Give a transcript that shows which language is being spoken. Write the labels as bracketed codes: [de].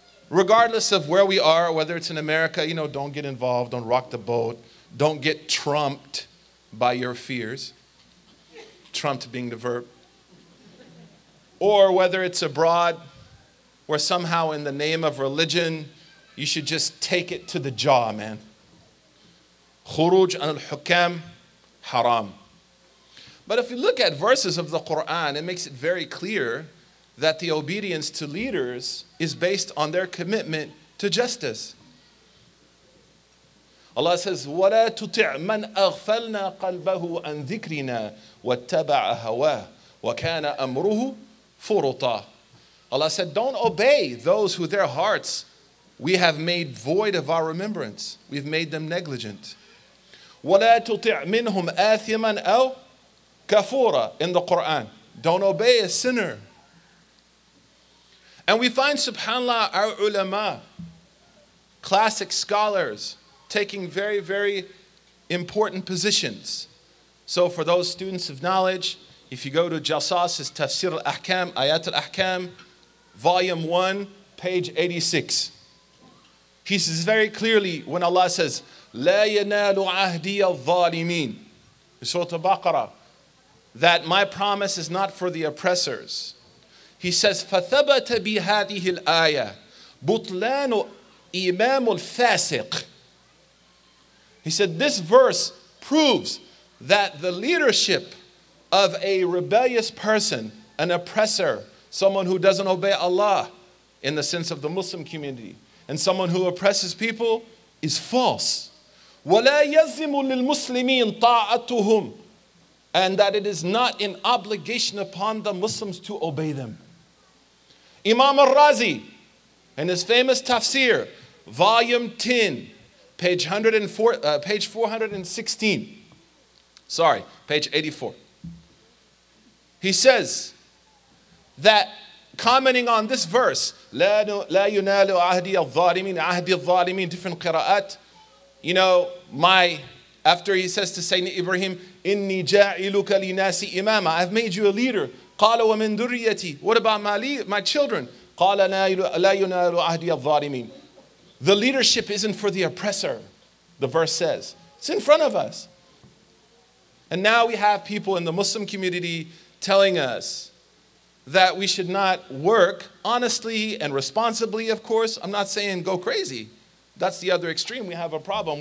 [en] regardless of where we are, whether it's in America, you know, don't get involved, don't rock the boat, don't get trumped by your fears, trumped being the verb, or whether it's abroad, where somehow in the name of religion, you should just take it to the jaw, man. [ar] خروج عن الحكام حرام. [en] But if you look at verses of the Quran, it makes it very clear that the obedience to leaders is based on their commitment to justice. Allah says, [ar] وَلَا تُطِعْ مَنْ أَغْفَلْنَا قَلْبَهُ عَنْ ذِكْرِنَا وَاتَّبَعَ هَوَاهُ وَكَانَ أَمْرُهُ فُرُطًا. [en] Allah said, don't obey those who their hearts we have made void of our remembrance. We've made them negligent. [ar] وَلَا تُطِعْ مِنْهُمْ آثِمًا أَوْ كَفُورًا. [en] In the Quran, don't obey a sinner. And we find, subhanAllah, our ulama, classic scholars, taking very, very important positions. So for those students of knowledge, if you go to Jalsas' Tafsir al-Ahkam, Ayat al-Ahkam, volume 1, page 86. He says very clearly when Allah says, [ar] لَا يَنَالُ عَهْدِيَ الظَّالِمِينَ, [en] Surah al-Baqarah, that my promise is not for the oppressors. He says, [ar] فَثَبَتَ بِهَذِهِ الْآيَةِ بُطْلَانُ إِمَامُ الْفَاسِقِ. [en] He said, this verse proves that the leadership of a rebellious person, an oppressor, someone who doesn't obey Allah in the sense of the Muslim community, and someone who oppresses people, is false. [ar] وَلَا يَزِّمُ لِلْمُسْلِمِينَ طَاعَتُهُمْ. [en] And that it is not an obligation upon the Muslims to obey them. Imam al-Razi, in his famous tafsir, volume 10, page 416. Sorry, page 84. He says that commenting on this verse, [ar] لا ينال عهدي الظالمين, عهدي الظالمين, [en] different قراءات. You know, after he says to Sayyidina Ibrahim, [ar] إني جاعلك لناس إماما, [en] I've made you a leader. [ar] قال ومن ذريتي, [en] what about my children? [ar] قال لا ينال عهدي الظالمين. [en] The leadership isn't for the oppressor, the verse says. It's in front of us. And now we have people in the Muslim community telling us that we should not work honestly and responsibly, of course. I'm not saying go crazy. That's the other extreme. We have a problem.